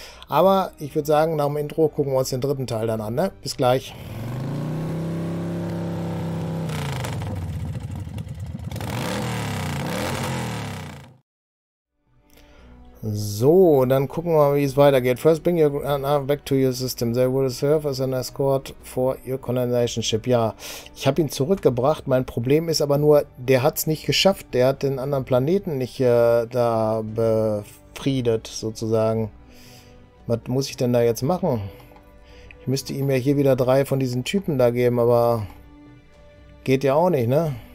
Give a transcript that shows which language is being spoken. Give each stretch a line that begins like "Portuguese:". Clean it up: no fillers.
German: Aber ich würde sagen, nach dem Intro gucken wir uns den dritten Teil dann an, ne? Bis gleich. So, dann gucken wir mal, wie es weitergeht.
English: First bring your back to your system. They will serve as an escort for your colonization ship.
German: Ja, ich habe ihn zurückgebracht. Mein Problem ist aber nur, der hat es nicht geschafft. Der hat den anderen Planeten nicht da befriedet, sozusagen. Was muss ich denn da jetzt machen? Ich müsste ihm ja hier wieder drei von diesen Typen da geben, aber geht ja auch nicht, ne?